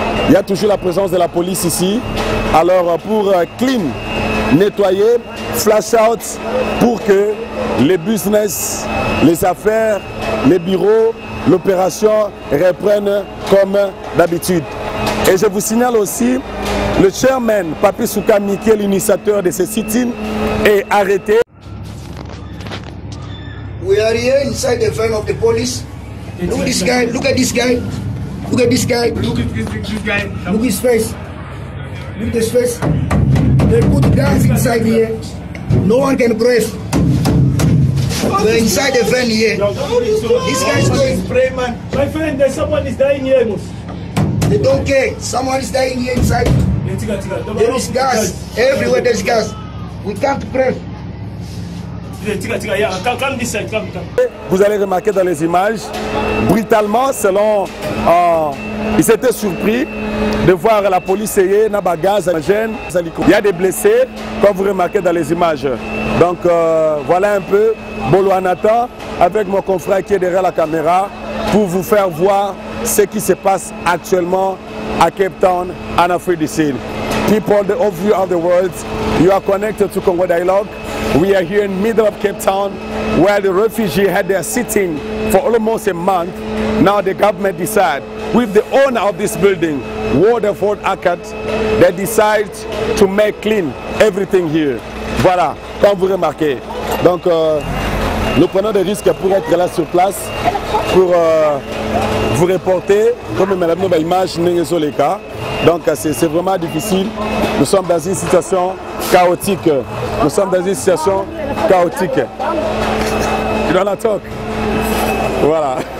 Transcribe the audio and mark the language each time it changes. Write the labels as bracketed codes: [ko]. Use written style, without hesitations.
[fr] Il y a toujours la présence de la police ici. Alors pour clean, nettoyer, flash out, pour que les business, les affaires, les bureaux, l'opération reprennent comme d'habitude. Et je vous signale aussi, le chairman Papi Souka Miki, l'initiateur de ce sit-in, est arrêté. [en] We are here inside the van of the police. Look at this guy, look at this guy. Look at this guy. Look at this guy. Look at his face. Look at his face. They put guns inside here. No one can press. We're inside the van here. This guy is going to pray, man. My friend, there's someone is dying here, Mus. They don't care. Someone is dying here inside. There is gas. Everywhere there's gas. We can't press. [fr] Vous allez remarquer dans les images, brutalement, selon. Ils s'étaient surpris de voir la police na gaz, il y a des blessés, comme vous remarquez dans les images. Donc voilà un peu Boloanata avec mon confrère qui est derrière la caméra pour vous faire voir ce qui se passe actuellement à Cape Town, en Afrique du Sud. [en] People, the overview of the world, you are connected to Congo Dialogue. We are here in the middle of Cape Town where the refugees had their sitting for almost a month. Now the government decide with the owner of this building, Waterford Accord, they decide to make clean everything here. [fr] Voilà, comme vous remarquez. Donc, nous prenons des risques pour être là sur place, pour vous reporter, comme madame nous image n'est le cas. Donc, c'est vraiment difficile. Nous sommes dans une situation chaotique. Nous sommes dans une situation chaotique. Il en a talk. Voilà.